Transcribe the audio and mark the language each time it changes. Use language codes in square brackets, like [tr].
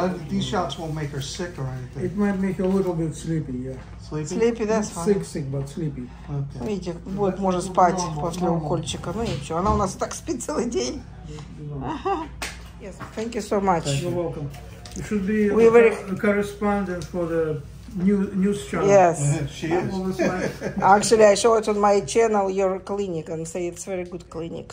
[en] These shots won't make her sick or anything. It might make her a little bit sleepy, yeah. Sleepy, that's fine. Sick, but sleepy. Okay. [ru] Видите, вот можно спать после укольчика. Ну ничего, она у нас так спит целый день. [en] Yes, thank you so much. You're welcome. You should be a correspondent for the news channel. Yes. She is. Actually, I show it on my channel, your clinic, and say it's very good clinic.